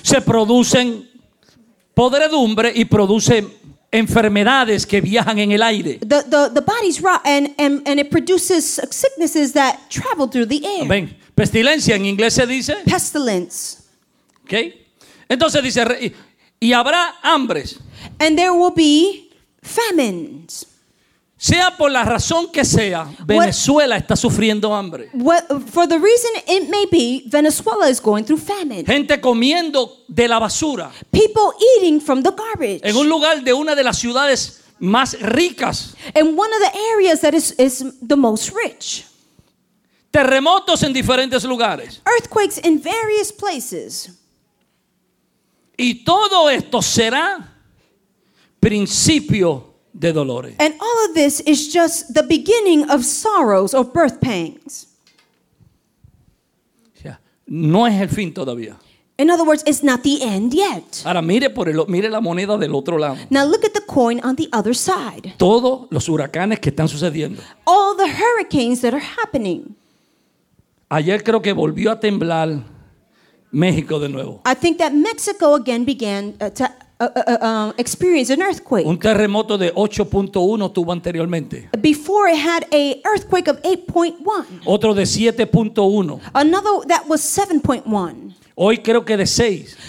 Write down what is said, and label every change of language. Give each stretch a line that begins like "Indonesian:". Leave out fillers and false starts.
Spanish: se producen podredumbre y producen enfermedades que viajan en el aire.
English: The bodies rot and it produces sicknesses that travel through the air.
Spanish: Ven, pestilencia en inglés se dice.
English: Pestilence.
Spanish: Okay. Entonces dice, y habrá hambres.
English: And there will be famines.
Spanish: Sea por la razón que sea, Venezuela está sufriendo hambre.
English: For the reason it may be, Venezuela is going through famine.
Spanish: Gente comiendo de la basura.
English: People eating from the garbage.
Spanish: En un lugar de una de las ciudades más ricas.
English: In one of the areas that is the most rich.
Spanish: Terremotos en diferentes lugares.
English: Earthquakes in various places.
Spanish: Y todo esto será principio de dolores.
English: And all of this is just the beginning of sorrows or birth pangs.
Spanish: Yeah. No es el fin todavía.
English: In other words, it's not the end yet.
Spanish: Ahora mire por el, mire la moneda del otro lado.
English: Now look at the coin on the other side.
Spanish: Todos los huracanes que están sucediendo.
English: All the hurricanes that are happening.
Spanish: Ayer creo que volvió a temblar México de nuevo.
English: I think that Mexico again began to experience an earthquake.
Spanish: Un terremoto de 8.1 tuvo anteriormente.
English: Before it had an earthquake of 8.1.
Spanish: Otro de 7.1.
English: Another that was 7.1.
Spanish: Hoy creo que de 6.